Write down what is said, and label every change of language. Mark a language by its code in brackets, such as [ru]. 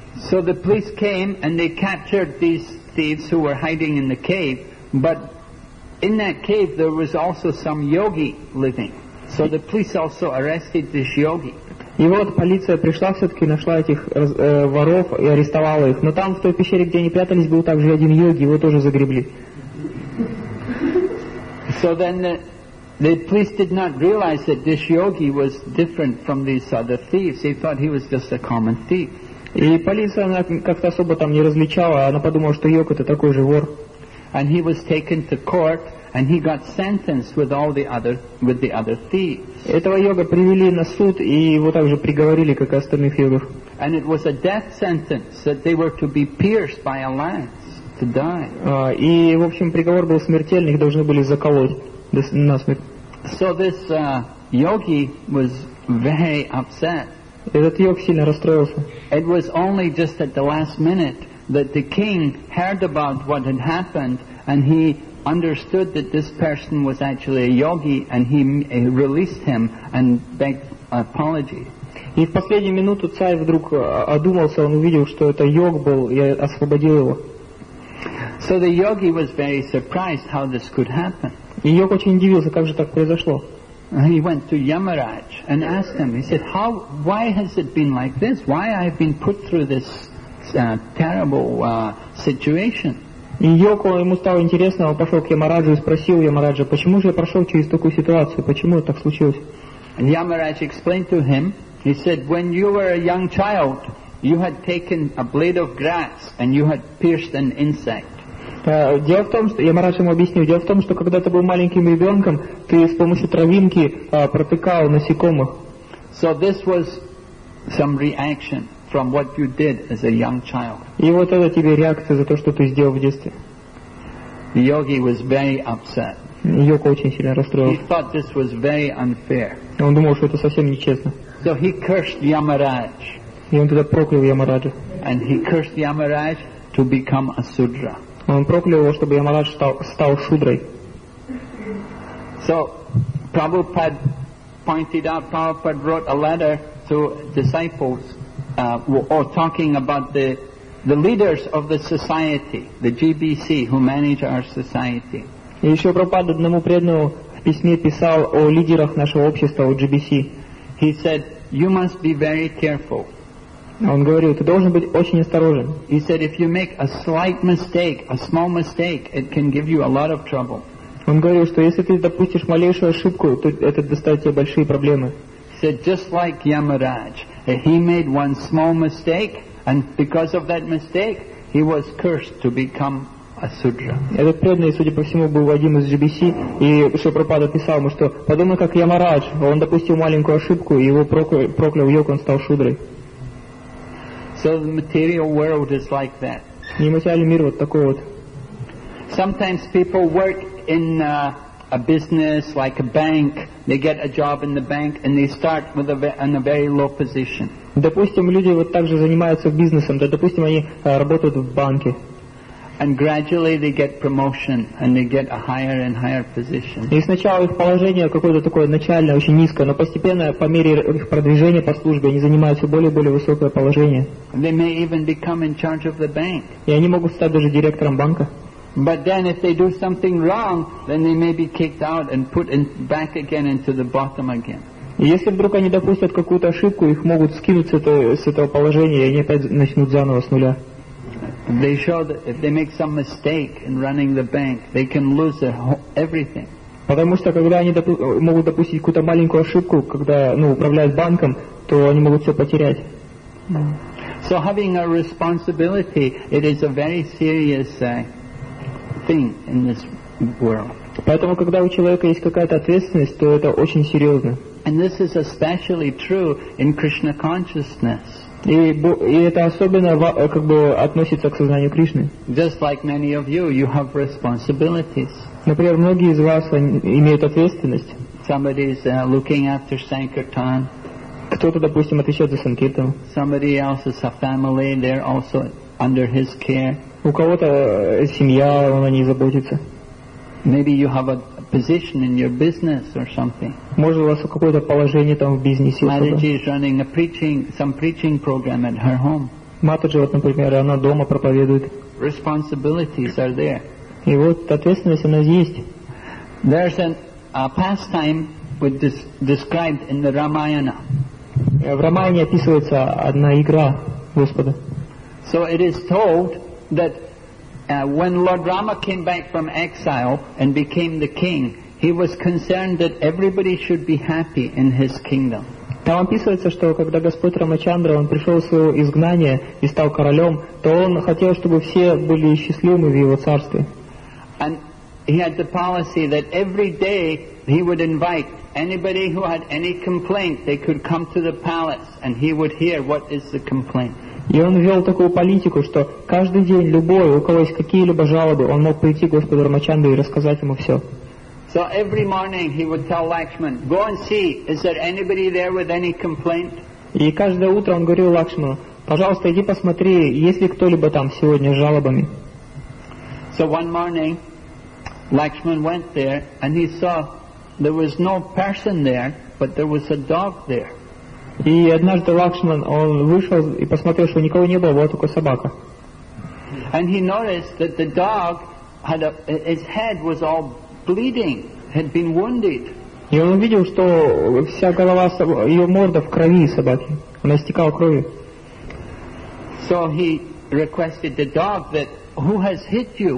[en] So the police came and they captured these thieves who were hiding in the cave, but in that cave there was also some yogi living. So the police also arrested this yogi. [ru] И вот полиция пришла все-таки, нашла этих воров и арестовала их. Но там, в той пещере, где они прятались, был также один йоги, его тоже загребли. [en] So then the police did not realize that this yogi was different from these other thieves. They thought he was just a common thief. [ru] И полиция, она как-то особо там не различала, она подумала, что Йог это такой же вор. [en] And he was taken to court, and he got sentenced with all the other, with the other thieves. [ru] Этого Йога привели на суд, и его также приговорили, как и остальных йогов. [en] And it was a death sentence, that they were to be pierced by a lance, to die. [ru] И, в общем, приговор был смертельный, их должны были заколоть насмерть. [en] So this yogi was very upset. [ru] Этот йог сильно расстроился. [en] It was only just at the last minute that the king heard about what had happened and he understood that this person was actually a yogi and he released him and begged apology. [ru] И в последнюю минуту царь вдруг одумался, он увидел, что это йог был, и освободил его. [en] So the yogi was very surprised how this could happen. [ru] И йог очень удивился, как же так произошло. [en] He went to Yamaraj and asked him. He said, "How? Why has it been like this? Why I've been put through this terrible situation?" [ru] И Йог, ему стало интересно, он пошел к Ямараджу и спросил Ямараджа, почему же я прошел через такую ситуацию, почему это так случилось? [en] And Yamaraj explained to him. He said, "When you were a young child, you had taken a blade of grass and you had pierced an insect." [ru] Дело в том, что я Марашу ему объяснил. Дело в том, что когда ты был маленьким ребенком, ты с помощью травинки протыкал насекомых. [en] So this was some reaction from what you did as a young child. [ru] И вот это тебе реакция за то, что ты сделал в детстве. [en] The yogi was very upset. [ru] Йог очень сильно расстроился. [en] He thought this was very unfair. [ru] Он думал, что это совсем нечестно. [en] So he cursed Yamaraj. [ru] И он тогда проклял Ямараджа. [en] And he cursed Yamaraj to become a sudra. [ru] Он проклял его, чтобы Ямарадж стал шудрой. [en] So, Prabhupada pointed out, Prabhupada wrote a letter to disciples or talking about the leaders of the society, the GBC, who manage our society. [ru] И еще Прабхупада одному преданному в письме писал о лидерах нашего общества, о GBC. [en] He said, "You must be very careful." [ru] Он говорил, ты должен быть очень осторожен. [en] He said, if you make a slight mistake, a small mistake, it can give you a lot of trouble. [ru] Он говорил, что если ты допустишь малейшую ошибку, то это доставит тебе большие проблемы. [en] He said, just like Yamaraj, he made one small mistake, and because of that mistake, he was cursed to become a sudra. [ru] Этот преданный, судя по всему, был один из GBC, и Шрила Прабхупада писал ему, что подумай, как Ямарадж, он допустил маленькую ошибку, и его проклял йог, он стал шудрой. [en] So the material world is like that. [ru] И материальный мир вот такой вот. [en] Sometimes people work in a business like a bank. They get a job in the bank and they start with in a very low position. [ru] Допустим, люди вот также занимаются бизнесом. Да, допустим, они работают в банке. [en] And gradually they get promotion and they get a higher and higher position. [ru] И сначала их положение какое-то такое начальное, очень низкое, но постепенно, по мере их продвижения по службе, они занимают все более и более высокое положение. [en] They may even become in charge of the bank. [ru] И они могут стать даже директором банка. [en] But then if they do something wrong, then they may be kicked out and put in back again into the bottom again. [ru] И если вдруг они допустят какую-то ошибку, их могут скинуть с этого положения, и они опять начнут заново с нуля. [en] They show that if they make some mistake in running the bank, they can lose everything. [ru] Потому что когда они могут допустить какую-то маленькую ошибку, когда, ну, управляют банком, то они могут все потерять. [en] So having a responsibility, it is a very serious thing in this world. [ru] Поэтому, когда у человека есть какая-то ответственность, то это очень серьезно. [en] And this is especially true in Krishna consciousness. [ru] И это особенно как бы относится к сознанию Кришны. [en] Just like many of you, you have responsibilities. [ru] Например, многие из вас имеют ответственность. [en] Somebody is looking after Sankirtan. [ru] Кто-то, допустим, отвечает за Санкиртан. [en] Somebody else is a family, they're also under his care. [ru] У кого-то семья, он о ней заботится. [en] Maybe you have a position in your business or something. [ru] Может, у вас какое-то положение там в бизнесе. [en] Матаджи is running a preaching, some preaching program at her home. [ru] Матаджи, вот, например, она дома проповедует. [en] Responsibilities are there. [ru] И вот ответственность у нас есть. [en] There's a pastime with this described in the Ramayana. [ru] В Рамаяне описывается одна игра Господа. [en] So it is told that when Lord Rama came back from exile and became the king, he was concerned that everybody should be happy in his kingdom. [ru] Там описывается, что когда Господь Рамачандра, он пришел в свое изгнание и стал королем, то он хотел, чтобы все были счастливы в его царстве. [en] And he had the policy that every day he would invite anybody who had any complaint, they could come to the palace and he would hear what is the complaint. [ru] И он вел такую политику, что каждый день любой, у кого есть какие-либо жалобы, он мог прийти к Господу Рамачандре и рассказать ему все. [en] So every morning he would tell Lakshman, go and see, is there anybody there with any complaint? [ru] И каждое утро он говорил Лакшману, пожалуйста, иди посмотри, есть ли кто-либо там сегодня с жалобами. [en] So one morning Lakshman went there and he saw there was no person there, but there was a dog there. [ru] И однажды Лакшман, он вышел и посмотрел, что никого не было, была только собака. [en] And he noticed that the dog had his head was all bleeding, had been wounded. [ru] И он увидел, что вся голова, ее морда в крови собаки, она истекала кровью. [en] So he requested the dog that, who has hit you?